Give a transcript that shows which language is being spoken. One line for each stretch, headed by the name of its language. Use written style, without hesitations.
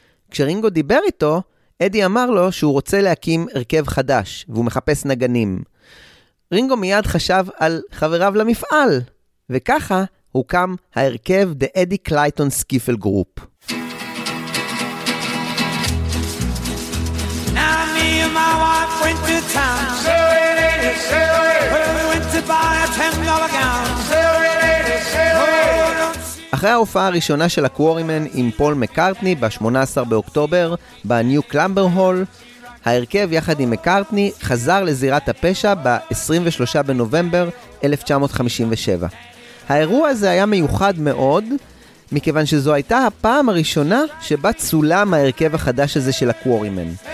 Hebrew: כשרינגו דיבר איתו, אדי אמר לו שהוא רוצה להקים הרכב חדש, והוא מחפש נגנים. רינגו מיד חשב על חבריו למפעל, וככה הוקם ההרכב The Eddie Clayton Skiffle Group.
English: Now me and my wife went to town. Sail away, lady, sail away. Well, we went to buy a $10 gown. Sail away, lady, sail away.
Hebrew: אחרי ההופעה הראשונה של הקוורימן עם פול מקארטני ב-18 באוקטובר בניו קלמבר הול, ההרכב יחד עם מקארטני חזר לזירת הפשע ב-23 בנובמבר 1957. האירוע הזה היה מיוחד מאוד, מכיוון שזו הייתה הפעם הראשונה שבה צולם ההרכב החדש הזה של הקוורימן.